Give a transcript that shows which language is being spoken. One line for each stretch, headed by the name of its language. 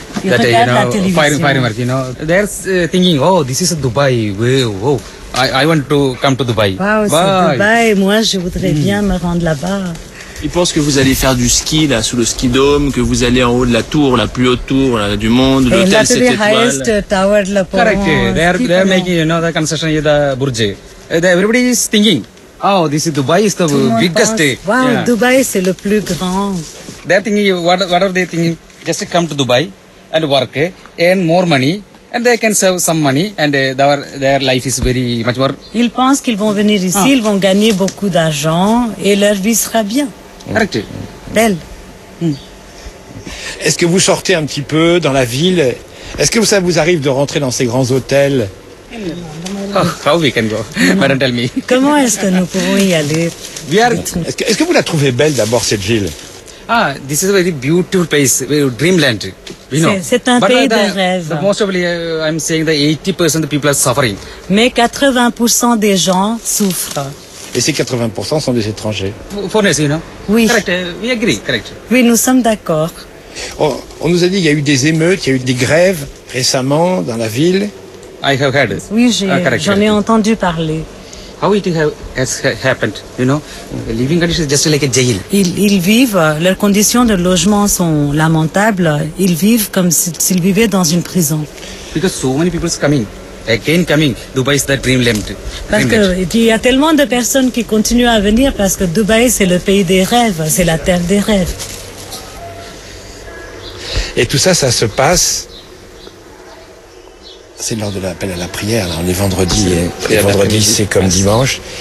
French: Dubaï, moi je voudrais bien me rendre là-bas. Ils pensent que vous allez faire du ski là sous le ski dôme, que vous allez en haut de la tour, la plus haute tour là, du monde, l'hôtel 7 étoiles.
English: Highest tower
French: de la Poron.
English: Correct, they are making, you know, the construction of the Burj. Everybody is thinking, oh, this is Dubai, it's the tout biggest. Wow, yeah.
French: Dubaï c'est le plus grand.
English: They're thinking, what are they thinking? Just come to Dubai and work, earn more money, and they can save some money, and their life is very much more.
French: Ils pensent qu'ils vont venir ici, ils vont gagner beaucoup d'argent, et leur vie sera bien.
English: Correct.
French: Belle. Est-ce que vous sortez un petit peu dans la ville? Est-ce que ça vous arrive de rentrer dans ces grands hôtels?
English: Oh, how we can go? Don't tell me.
French: Comment est-ce que nous pouvons y aller? Est-ce que vous la trouvez belle d'abord, cette ville?
English: Ah, this is a very beautiful place, dreamland, you know.
French: C'est un pays de rêve.
English: But most of the, I'm saying that 80% of people are suffering.
French: Mais 80% des gens souffrent. Et ces 80% sont des étrangers.
English: Foreigners, you know.
French: Oui.
English: Correct, we agree, correct.
French: Oui, nous sommes d'accord. On nous a dit qu'il y a eu des émeutes, il y a eu des grèves récemment dans la ville.
English: I have heard.
French: Oui, j'en ai entendu parler.
English: How it has happened, you know? The living conditions are just like a jail.
French: Ils vivent, leurs conditions de logement sont lamentables. Ils vivent comme s'ils vivaient dans une prison.
English: Because so many people are coming, again coming. Dubaï is the dreamland.
French: Parce qu'il y a tellement de personnes qui continuent à venir parce que Dubaï, c'est le pays des rêves, c'est la terre des rêves. Et tout ça, ça se passe... C'est l'heure de l'appel à la prière, là. On est vendredi, c'est comme dimanche.